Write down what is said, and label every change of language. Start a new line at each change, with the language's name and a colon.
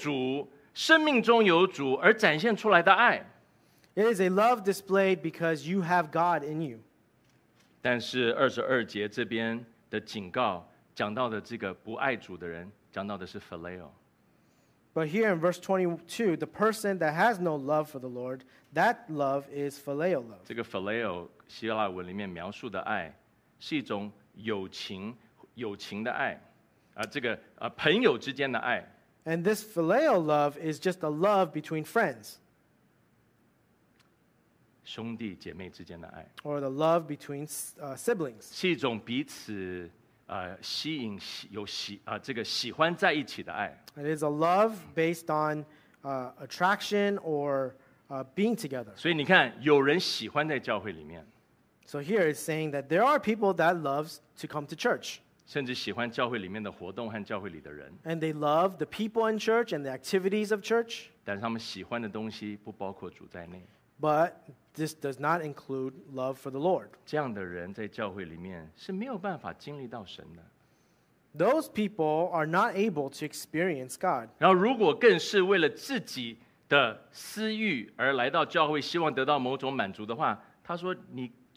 Chinese: 是一个因为心中有主，生命中有主而展现出来的爱。
English: It is a love displayed because you have God in you.
Chinese: 但是22节这边 的警告讲到的这个不爱主的人，讲到的是 phileo.
English: But here in verse 22, the person that has no love for the Lord, that love is phileo love.
Chinese: 这个 phileo 希腊文里面描述的爱，是一种友情的爱，这个朋友之间的爱。
English: And this phileo love is just a love between friends.
Chinese: 兄弟姐妹之间的爱。
English: Or the love between siblings.
Chinese: 是一种彼此 吸引有喜这个喜欢在一起的爱。
English: It is a love based on attraction or being together.
Chinese: 所以你看，有人喜欢在教会里面。
English: So here it's saying that there are people that loves to come to church.
Chinese: 甚至喜欢教会里面的活动和教会里的人。
English: And they love the people in church and the activities of church.
Chinese: 但是他们喜欢的东西不包括主在内。
English: But this does not include love for the Lord.
Chinese: 这样的人在教会里面是没有办法经历到神的。
English: Those people are not able to experience God.
Chinese: 然后如果更是为了自己的私欲而来到教会，希望得到某种满足的话，他说：“你